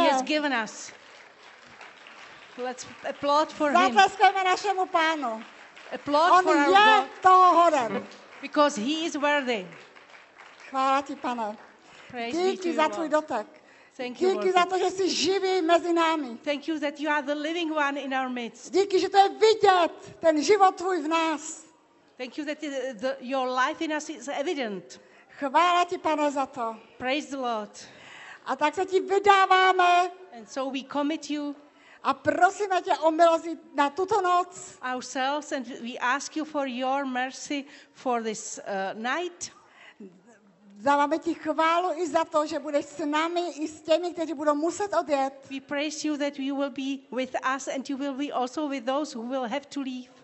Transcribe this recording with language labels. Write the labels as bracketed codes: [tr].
[en] He has given us. Let's applaud for him. [cs] Zatleskejme našemu pánu. [en] Applaud on for [cs] je [en] our [cs] God. Toho hoden. [en] Because he is worthy. [cs] Chvála ti, pane. Díky za tvůj dotek. [en] Thank you, [cs] díky za to, že jsi živý mezi námi. [en] Thank you that you are the living one in our midst. [cs] Díky, že to je vidět, ten život tvůj v nás. [en] Thank you that your life in us is evident. [cs] Chvála ti, pane, za to. [en] Praise the Lord. [cs] A tak se ti vydáváme. [en] And so we commit you. [cs] A prosíme tě o milost na tuto noc. [en] Ourselves and we ask you for your mercy for this night. [cs] Dáváme ti chválu i za to, že budeš s námi i s těmi, kteří budou muset odjet. [en] We praise you that you will be with us and you will be also with those who will have to leave.